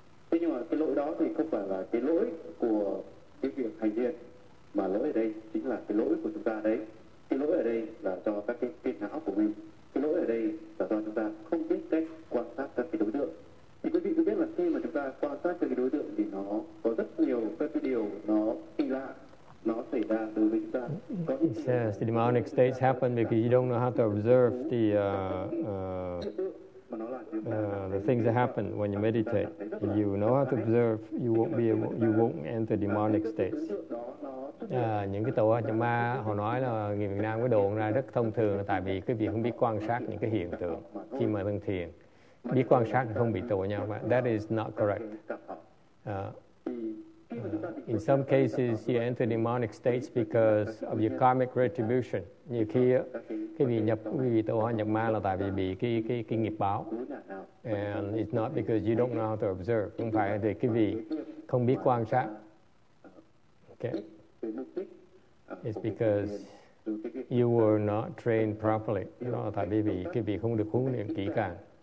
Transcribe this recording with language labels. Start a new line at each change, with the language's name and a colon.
Vietnamese: Thế nhưng mà cái lỗi đó thì không phải là cái lỗi của cái việc hành thiền, mà lỗi ở đây chính là cái lỗi của chúng ta đấy. Cái lỗi ở đây là do các cái phiền não của mình. Cái lỗi ở đây là do chúng ta không biết cách quan sát các cái đối tượng. Thì quý vị cũng biết là khi mà chúng ta quan sát các cái đối tượng thì nó có rất nhiều các cái điều nó kỳ lạ, nó xảy ra đối với chúng ta. Có những
English: he says the demonic states happen because you don't know how to observe the things that happen when you meditate. If you know how to observe, you won't enter demonic states.
Vietnamese: Những cái tổ nhà ma họ nói là người Việt Nam cái đồn ra rất thông thường là tại vì cái việc không biết quan sát những cái hiện tượng khi mà đang thiền, biết quan sát thì không bị tổ nhà ma.
English: That is not correct. In some cases, you enter demonic states because of your karmic retribution.
Vietnamese: Nhiều khi cái vị nhập vị tổ hóa nhập ma là tại vì bị cái nghiệp báo.
English: And it's not because you don't know how to observe.
Vietnamese: Không phải vì cái vị không biết quan sát. Okay.
English: It's because you were not trained properly.
Vietnamese: Đó là tại vì cái vị không được huấn luyện kỹ càng.